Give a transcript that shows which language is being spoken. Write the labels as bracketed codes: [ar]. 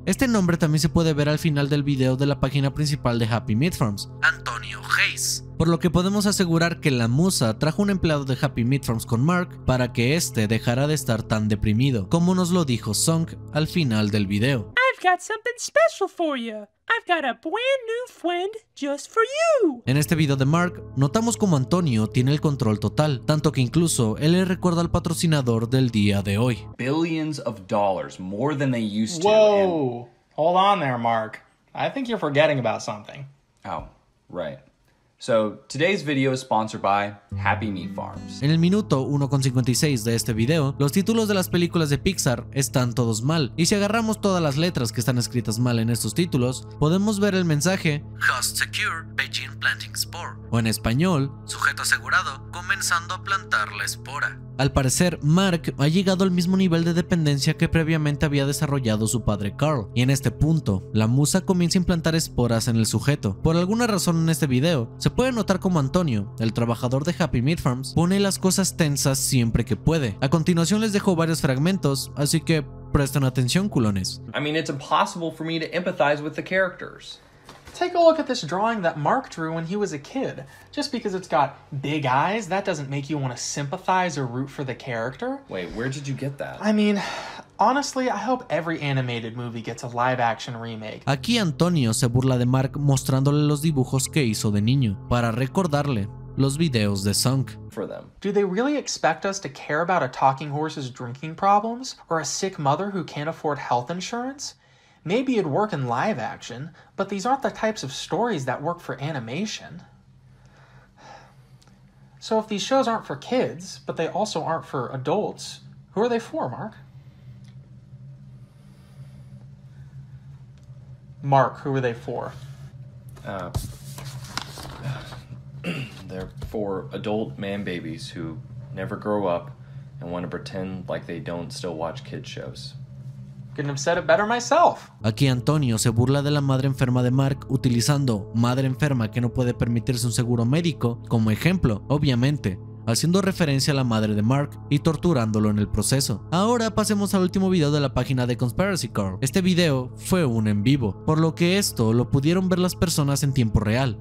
[es] Este nombre también se puede ver al final del video de la página principal de Happy Meat Farms, Antonio Hayes, por lo que podemos asegurar que la musa trajo un empleado de Happy Meat Farms con Mark para que este dejara de estar tan deprimido, como nos lo dijo Song al final del video. [en] I've got something special for you. I've got a brand new friend just for you. [es] En este video de Mark, notamos cómo Antonio tiene el control total, tanto que incluso él le recuerda al patrocinador del día de hoy. [en] Billions of dollars, more than they used to. Whoa, and... hold on there, Mark. I think you're forgetting about something. Oh, right. So, today's video is sponsored by Happy Meat Farms. [es] En el minuto 1.56 de este video, los títulos de las películas de Pixar están todos mal. Y si agarramos todas las letras que están escritas mal en estos títulos, podemos ver el mensaje [en] Host Secure Beijing Planting Spore. [es] O en español, Sujeto Asegurado Comenzando a Plantar la Espora. Al parecer, Mark ha llegado al mismo nivel de dependencia que previamente había desarrollado su padre Carl, y en este punto, la musa comienza a implantar esporas en el sujeto. Por alguna razón en este video, se puede notar cómo Antonio, el trabajador de Happy Meat Farms, pone las cosas tensas siempre que puede. A continuación les dejo varios fragmentos, así que presten atención, culones. [en] I mean, it's impossible for me to empathize with the characters. Take a look at this drawing that Mark drew when he was a kid. Just because it's got big eyes, that doesn't make you want to sympathize or root for the character. Wait, where did you get that? I mean, honestly, I hope every animated movie gets a live-action remake. [es] Aquí Antonio se burla de Mark mostrándole los dibujos que hizo de niño para recordarle los videos de Sunk. [en] For them. Do they really expect us to care about a talking horse's drinking problems or a sick mother who can't afford health insurance? Maybe it'd work in live action, but these aren't the types of stories that work for animation. So if these shows aren't for kids, but they also aren't for adults, who are they for, Mark? Mark, who are they for? They're for adult man babies who never grow up and want to pretend like they don't still watch kids shows. Couldn't have said it better myself. [es] Aquí Antonio se burla de la madre enferma de Mark utilizando madre enferma que no puede permitirse un seguro médico como ejemplo. Obviamente, haciendo referencia a la madre de Mark y torturándolo en el proceso. Ahora pasemos al último video de la página de Conspiracy Curl. Este video fue un en vivo, por lo que esto lo pudieron ver las personas en tiempo real.